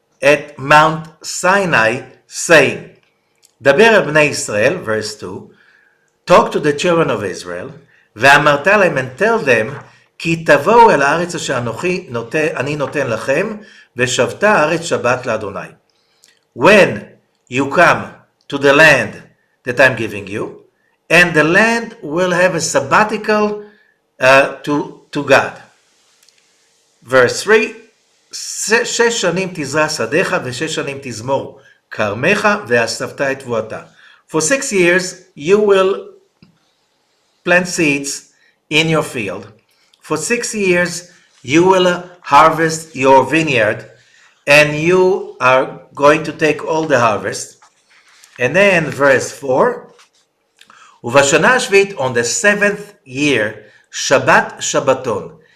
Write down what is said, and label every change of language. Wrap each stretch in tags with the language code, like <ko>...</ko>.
<en>At Mount Sinai, saying, Daber el Bnei Israel, verse 2, talk to the children of Israel, ואמרת להם, and tell them, כי תבואו אל הארץ אשר אני נותן לכם, ושבתה הארץ שבת לאדוני. When you come to the land that I'm giving you, and the land will have a sabbatical to God.</en> <he>Verse 3, 6 שנים תזרע שדך ו6 שנים תזמור כרמך ואספת את תבואתה.</he> <en>For 6 years you will plant seeds in your field. For 6 years you will harvest your vineyard and you are going to take all the harvest. And then verse 4, ובשנה השביעית, on the 7th year, שבת שבתון.</en>